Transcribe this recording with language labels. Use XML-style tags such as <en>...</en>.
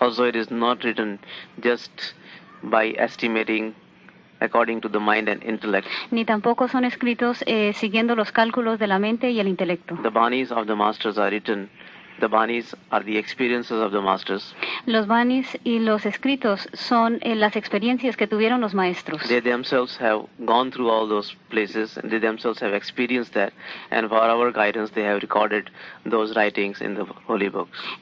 <en>Also it is not written just by estimating according to the mind and intellect.</en> <es>Ni tampoco son escritos siguiendo los cálculos de la mente y el intelecto.</es> <en>The bani's of the masters are written. The bani's are the experiences of the masters.</en> <es>Los bani's y los escritos son las experiencias que tuvieron los maestros.</es> <en>They themselves have gone through all those places and they themselves have experienced that, and for our guidance they have recorded those writings in the holy books.</en>